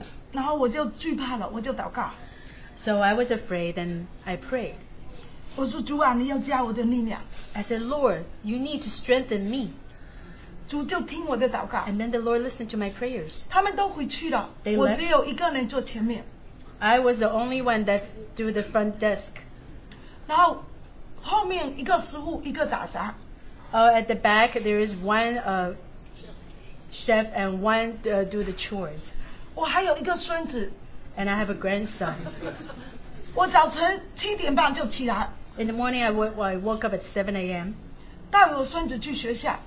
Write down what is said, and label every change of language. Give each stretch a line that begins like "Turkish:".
Chinese: 然后我就惧怕了，我就祷告。
English: So I was afraid and I prayed.
Chinese: 我说主啊，你要加我的力量。
English: I said, Lord, you need to strengthen me.
Chinese: 主就听我的祷告。
English: And then the Lord listened to my prayers.
Chinese: 他们都回去了。
English: They left.
Chinese: 我只有一个人坐前面。
English: I was the only one that do the front desk.
Chinese: 然后后面一个师傅，一个打杂。
English: At the back there is one chef and one do the chores.
Chinese: 我还有一个孙子,
English: and I have a grandson.
Chinese: 我早晨7点半就起来,
English: in the morning I woke up at 7 a.m.
Chinese: 带我孙子去学校,